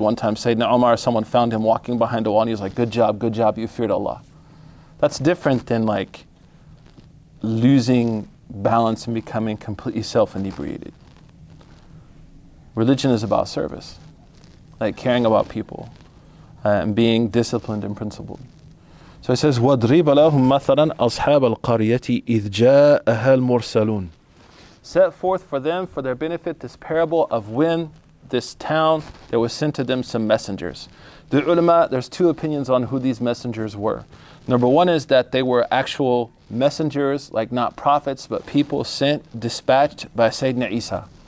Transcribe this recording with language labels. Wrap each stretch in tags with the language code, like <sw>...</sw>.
<en>One time Sayyidina Omar, someone found him walking behind a wall and he was like, good job, you feared Allah. That's different than like losing balance and becoming completely self-inebriated. Religion is about service, like caring about people and being disciplined and principled. So it says,</en> <ar>وَضْرِبَ لَهُمْ مَثَلًا أَصْحَابَ الْقَرْيَةِ إِذْ جَاءَهَا الْمُرْسَلُونَ.</ar> <en>set forth for them for their benefit this parable of when this town there was sent to them some messengers. The ulama, there's two opinions on who these messengers were. Number one is that they were actual messengers, like not prophets, but people sent, dispatched by Sayyidina Isa.</en>